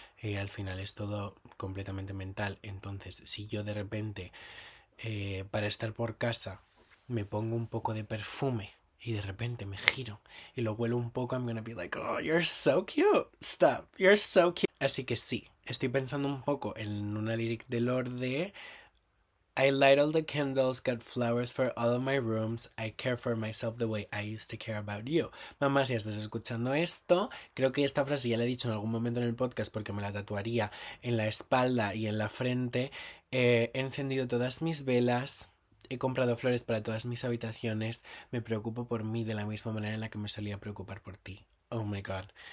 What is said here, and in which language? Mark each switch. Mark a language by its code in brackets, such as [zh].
[es] Al final es todo completamente mental. Entonces, si yo de repente, para estar por casa, me pongo un poco de perfume y de repente me giro y lo huelo un poco, [en] I'm gonna be like, oh, you're so cute. Stop, you're so cute. [es] Así que sí, estoy pensando un poco en una lyric de Lorde [en] I light all the candles, got flowers for all of my rooms. I care for myself the way I used to care about you. [es] Mamá, si estás escuchando esto, creo que esta frase ya la he dicho en algún momento en el podcast porque me la tatuaría en la espalda y en la frente. He encendido todas mis velas, he comprado flores para todas mis habitaciones. Me preocupo por mí de la misma manera en la que me solía preocupar por ti. [en] Oh my God.